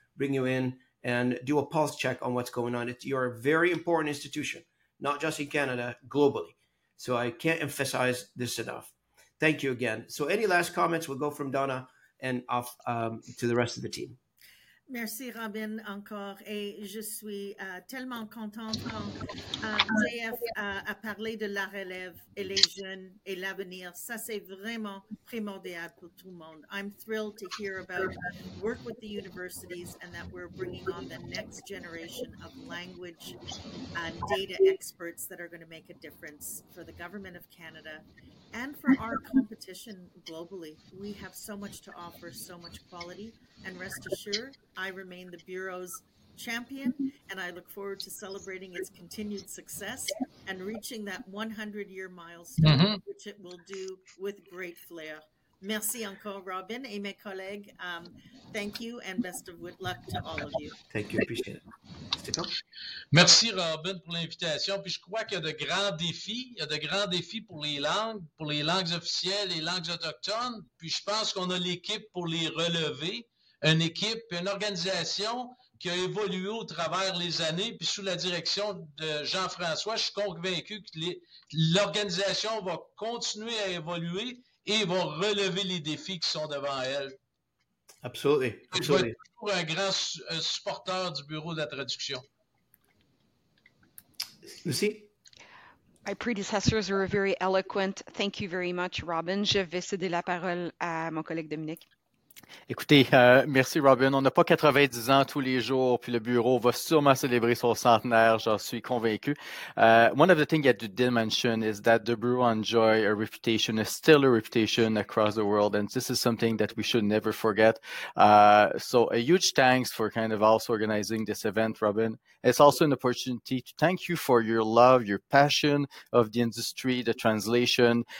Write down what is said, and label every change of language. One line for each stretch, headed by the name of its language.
English: Bring you in and do a pulse check on what's going on. You're a very important institution, not just in Canada, globally. So I can't emphasize this enough. Thank you again. So any last comments, we'll go from Donna and off to the rest of the team.
French: Merci, Robin, encore. Et je suis tellement contente quand JF a parlé de la relève et les jeunes et l'avenir. Ça, c'est vraiment primordial pour tout le monde.
English: I'm thrilled to hear about work with the universities and that we're bringing on the next generation of language and data experts that are going to make a difference for the government of Canada and for our competition globally. We have so much to offer, so much quality, and rest assured, I remain the Bureau's champion, and I look forward to celebrating its continued success and reaching that 100-year milestone, mm-hmm. which it will do with great flair.
French: Merci encore, Robin, et mes collègues.
English: Thank you, and best of luck to all of you. Thank you, appreciate it.
French: Merci, Robin, pour l'invitation. Puis je crois qu'il y a de grands défis. Il y a de grands défis pour les langues officielles, les langues autochtones. Puis je pense qu'on a l'équipe pour les relever, une équipe, une organisation qui a évolué au travers les années. Puis sous la direction de Jean-François, je suis convaincu que l'organisation va continuer à évoluer et va relever les défis qui sont devant elle.
English: Absolutely.
French: Pour un grand supporter du Bureau de la traduction. Lucie?
English: My predecessors were very eloquent. Thank you very much, Robin.
French: Je vais céder la parole à mon collègue Dominique. Écoutez, merci Robin. On n'a pas 90 ans tous les jours, puis le bureau va sûrement célébrer son centenaire, j'en suis convaincu.
English: One of the things that you did mention is that the bureau enjoys a reputation, a stellar reputation across the world, and this is something that we should never forget. So a huge thanks for kind of also organizing this event, Robin. It's also an opportunity to thank you for your love, your passion of the industry, the translation.